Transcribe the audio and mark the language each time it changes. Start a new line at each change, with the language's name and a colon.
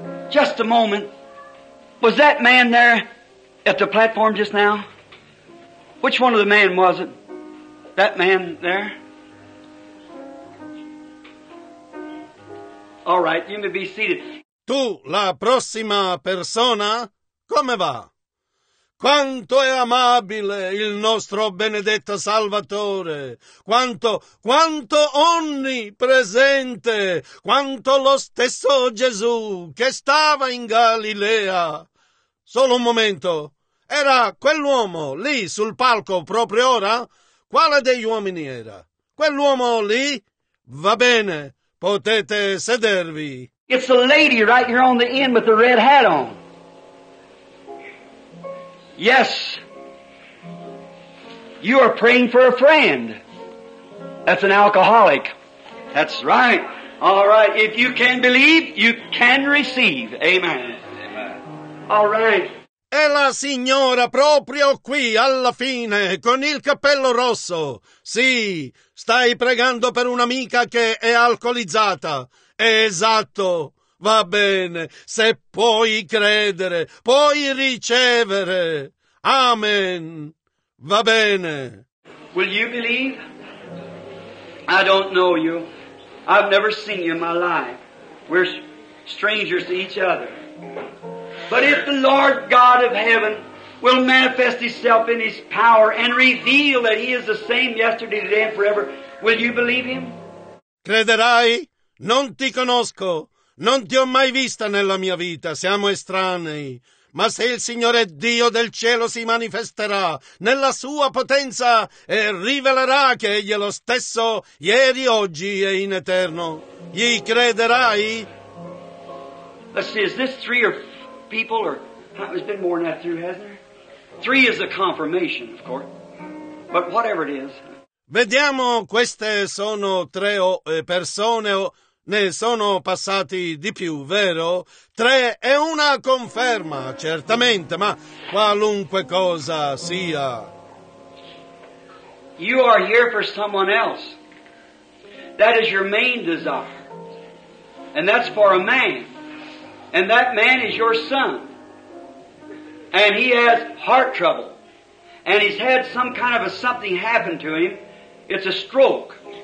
English: Just a moment. Was that man there at the platform just now? Which one of the men was it? That man there? All right, you may be seated.
Italian: Tu, la prossima persona, come va? Quanto è amabile il nostro benedetto Salvatore! Quanto onnipresente! Quanto lo stesso Gesù che stava in Galilea! Solo un momento, era quell'uomo lì sul palco proprio ora? Quale degli uomini era? Quell'uomo lì? Va bene, potete sedervi.
English: It's a lady right here on the end with the red hat on. Yes, you are praying for a friend. That's an alcoholic. That's right. All right, if you can believe, you can receive. Amen. All right.
Italian: E la signora proprio qui alla fine, con il cappello rosso. Sì, stai pregando per un'amica che è alcolizzata. Esatto. Va bene, se puoi credere, puoi ricevere. Amen. Va bene.
English: Will you believe? I don't know you. I've never seen you in my life. We're strangers to each other. But if the Lord God of heaven will manifest himself in his power and reveal that he is the same yesterday, today and forever, will you believe him?
Italian: Crederai? Non ti conosco. Non ti ho mai vista nella mia vita. Siamo estranei. Ma se il Signore Dio del cielo si manifesterà nella sua potenza e rivelerà che egli è lo stesso ieri, oggi e in eterno, gli crederai?
English: Let's see, is this three or people or it's been more than that through, hasn't there? Three is a confirmation, of course. But whatever it is.
Italian: Vediamo, queste sono tre persone o ne sono passati di più, vero? Tre è una conferma, certamente, ma qualunque cosa sia.
English: You are here for someone else. That is your main desire. And that's for a man. And that man is your son. And he has heart trouble. And he's had some kind of a something happen to him. It's a stroke.